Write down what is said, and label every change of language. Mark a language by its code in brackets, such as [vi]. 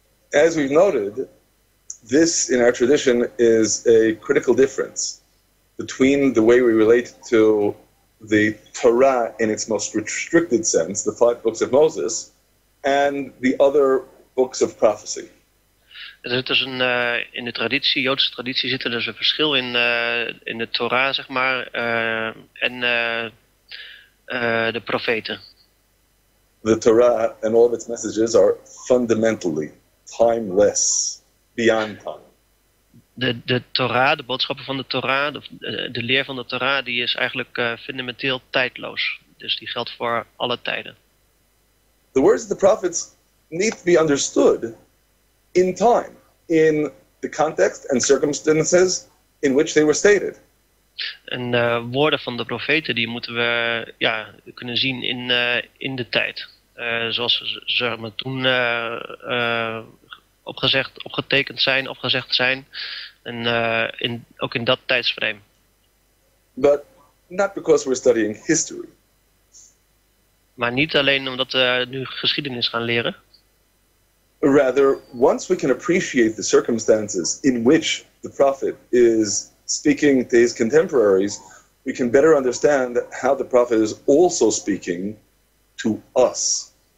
[en] As we've noted, this in our tradition is a critical difference between the way we relate to the Torah in its most restricted sense, the five books of Moses, and the other books of prophecy. [nl] Er zit dus in de traditie, Joodse traditie, zit er dus een verschil in de Torah, zeg maar, en de profeten. [en] The Torah and all of its messages are fundamentally timeless, beyond time. [nl] De Torah, de boodschappen van de Torah, de leer van de Torah, die is eigenlijk fundamenteel tijdloos. Dus die geldt voor alle tijden. [en] The words of the prophets need to be understood in time, in the context and circumstances in which they were stated. [nl] En de woorden van de profeten, die moeten we kunnen zien in de tijd. Zoals ze maar toen opgezegd, opgetekend zijn, opgezegd zijn. En ook in dat tijdsframe. [en] But not because we're studying history. [nl] Maar niet alleen omdat we nu geschiedenis gaan leren. [en] Rather, once we can appreciate the circumstances in which the prophet is speaking to his contemporaries, we can better understand how the prophet is also speaking to us.